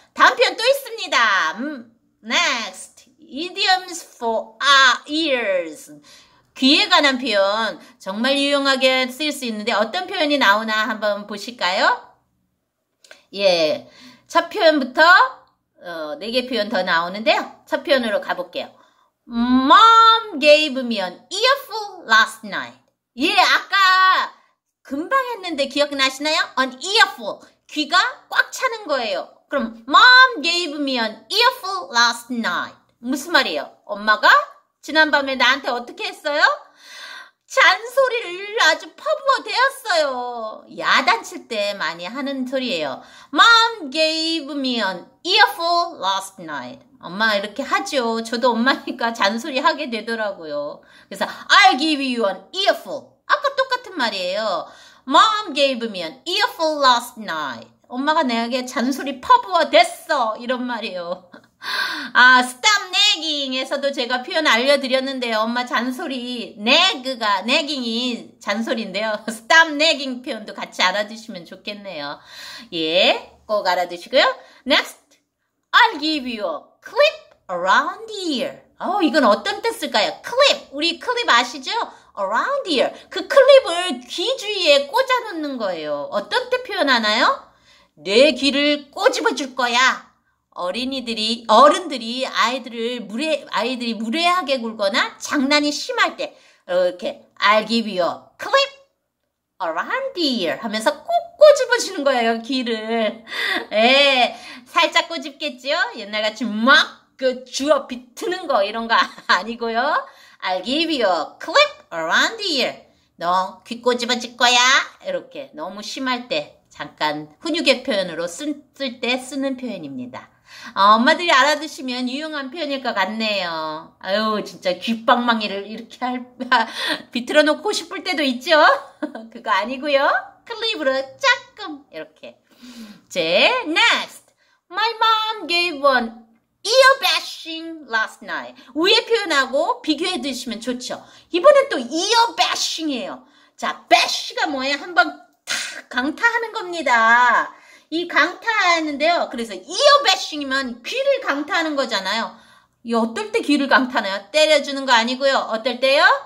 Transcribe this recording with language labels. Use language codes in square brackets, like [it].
[ko] 다음 표현 또 있습니다. [en] Next. Idioms for our ears. [ko] 귀에 관한 표현 정말 유용하게 쓰일 수 있는데 어떤 표현이 나오나 한번 보실까요? 예, 첫 표현부터 네개 표현 더 나오는데요. 첫 표현으로 가볼게요. [en] Mom gave me an earful last night. [ko] 예, 아까 금방 했는데 기억나시나요? [en] An earful, [ko] 귀가 꽉 차는 거예요. [en] 그럼 Mom gave me an earful last night. [ko] 무슨 말이에요? 엄마가 지난밤에 나한테 어떻게 했어요? 잔소리를 아주 퍼부어 대었어요. 야단칠 때 많이 하는 소리예요. [en] Mom gave me an earful last night. [ko] 엄마 이렇게 하죠. 저도 엄마니까 잔소리 하게 되더라고요. [en] 그래서 I'll give you an earful. [ko] 아까 똑같은 말이에요. [en] Mom gave me an earful last night. [ko] 엄마가 내게 잔소리 퍼부어 댔어. 이런 말이에요. 아, [en] stop nagging [ko] 에서도 제가 표현 알려드렸는데요. 엄마 잔소리, nagging이 잔소리인데요. [en] stop nagging [ko] 표현도 같이 알아두시면 좋겠네요. 예, 꼭 알아두시고요. [en] Next, I'll give you a clip around the ear. [ko] 이건 어떤 뜻일까요? clip, 우리 clip 아시죠? [en] around the ear. [ko] 그 clip을 귀 주위에 꽂아놓는 거예요. 어떤 때 표현하나요? 내 귀를 꼬집어줄 거야. 어른들이 아이들이 무례하게 굴거나 장난이 심할 때, 이렇게, [en] I'll give you a clip around the ear [ko] 하면서 꼭 꼬집어주는 거예요, 귀를. 예, 살짝 꼬집겠지요? 옛날같이 막그 주워 비트는 거, 이런 거 아니고요. [en] I'll give you a clip around the ear. [ko] 너귀 꼬집어질 거야. 이렇게 너무 심할 때, 잠깐 훈육의 표현으로 쓸때 쓰는 표현입니다. 엄마들이 알아두시면 유용한 표현일 것 같네요. 아유, 진짜 귓방망이를 이렇게 비틀어 놓고 싶을 때도 있죠? 그거 아니고요. 클립으로 조금 이렇게. 제 next. [en] My mom gave one ear bashing last night. [ko] 위에 표현하고 비교해 두시면 좋죠. 이번엔 또 ear bashing이에요. 자, bash가 뭐예요? 한번 탁 강타하는 겁니다. 이 강타하는데요. 그래서 이어 배싱이면 귀를 강타하는 거잖아요. 이 어떨 때 귀를 강타나요? 때려주는 거 아니고요. 어떨 때요?